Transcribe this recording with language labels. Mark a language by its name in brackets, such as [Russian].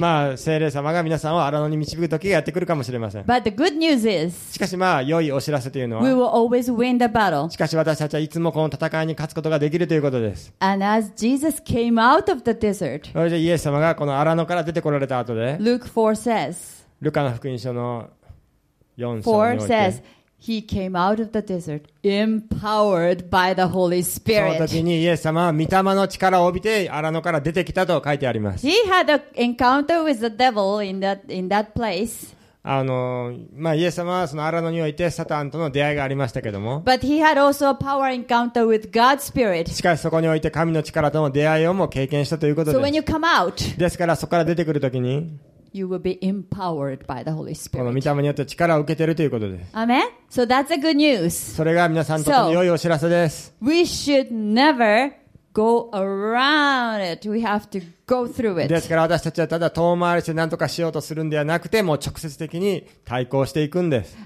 [Japanese] まあ聖霊様が皆さんを荒野に導く時がやってくるかもしれません。 [English] But the good news is, [Japanese] しかしまあ良いお知らせというのは、 [English] We will always win the battle. [Japanese] しかし私たちはいつもこの戦いに勝つことができるということです。 [English] And as Jesus came out of the desert, [Japanese] それでイエス様がこの荒野から出てこられた後で、 [English] Luke 4 says, [Japanese] ルカの福音書の4章において。 [English] He came out of the desert, empowered by the Holy Spirit. [Japanese] その時にイエス様は御霊の力を帯びて荒野から出てきたと書いてあります。 [English] He had an encounter with the devil in that place. [Japanese] まあ、イエス様はその荒野においてサタンとの出会いがありましたけども。 [English] But he had also a power encounter with God's Spirit. [Japanese] しかしそこにおいて神の力との出会いをも経験したということです。 [English] So when you come out, [Japanese] ですからそこから出てくる時に、 [English] You will be empowered by the Holy Spirit. [Japanese] この御霊によって力を受けているということです。 [English] Amen? So that's a good news. [Japanese] それが皆さんにとって良いお知らせです。 [English] So, we should never go around it. We have to go through it. [Japanese] ですから私たちはただ遠回りして何とかしようとするんではなくて、もう直接的に対抗していくんです。